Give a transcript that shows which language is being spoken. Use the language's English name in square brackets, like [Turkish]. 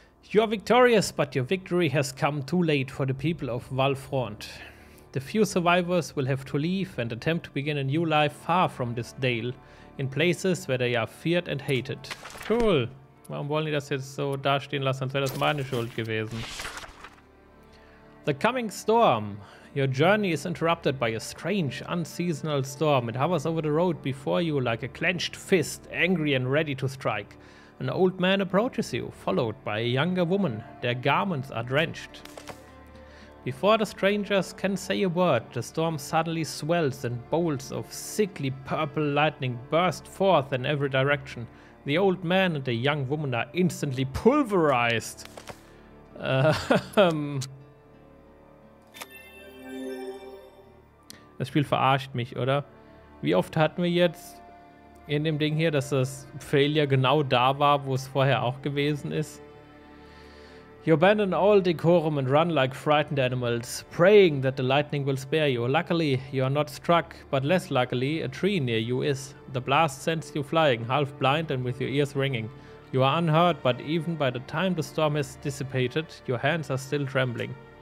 [English] You are victorious, but your victory has come too late for the people of Valfront. The few survivors will have to leave and attempt to begin a new life far from this Dale, in places where they are feared and hated. [German] Cool. Warum wollen die das jetzt so dastehen lassen, als wäre das meine Schuld gewesen? [English] The coming storm. Your journey is interrupted by a strange, unseasonal storm. It hovers over the road before you like a clenched fist, angry and ready to strike. An old man approaches you, followed by a younger woman. Their garments are drenched. Before the strangers can say a word, the storm suddenly swells and bolts of sickly purple lightning burst forth in every direction. The old man and the young woman are instantly pulverized. [German] Das Spiel verarscht mich, oder? Wie oft hatten wir jetzt in dem Ding hier, dass das Failure genau da war, wo es vorher auch gewesen ist? [English] You abandon all decorum and run like frightened animals, praying that the lightning will spare you. Luckily, you are not struck, but less luckily, a tree near you is. The blast sends you flying, half blind and with your ears ringing. You are unhurt, but even by the time the storm has dissipated, your hands are still trembling.